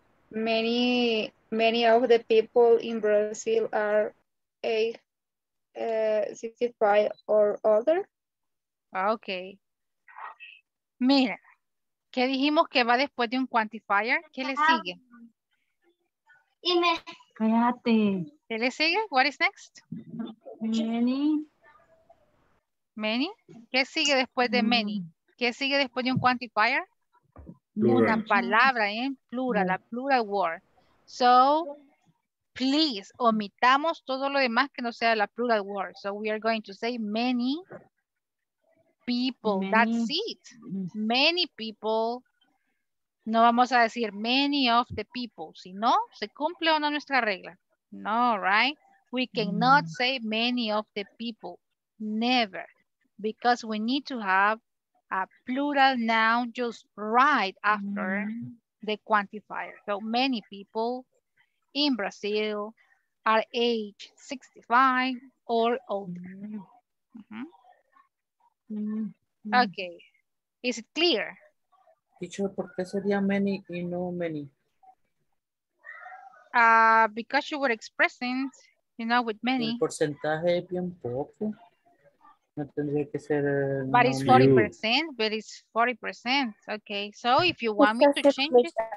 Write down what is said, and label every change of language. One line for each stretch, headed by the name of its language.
English: Many of the people in Brazil are 65 or older. Okay.
Spanish: Mira, ¿qué dijimos que va después de un quantifier? ¿Qué le sigue? Dime. Cállate. ¿Qué le sigue?
English: What is next? Many.
Spanish: Many. ¿Qué sigue después de many? ¿Qué sigue después de un quantifier? Plural. Una palabra, ¿eh? Plural, la plural word. So, please, omitamos todo lo demás que no sea la plural word.
English: So, we are going to say many. People, many. That's it. Many people.
Spanish: No vamos a decir
English: many of the people.
Spanish: Si no, se cumple o no nuestra regla.
English: No, right? We cannot say many of the people. Never. Because we need to have a plural noun just right after the quantifier. So many people in Brazil are age 65 or older. Okay, is it clear?
Spanish: Teacher, ¿por qué sería many y no many?
English: Because you were expressing, you know, with many.
Spanish: El porcentaje es bien poco. No tendría que ser.
English: But it's 40%, but it's 40%. Okay, so if you want me to change it.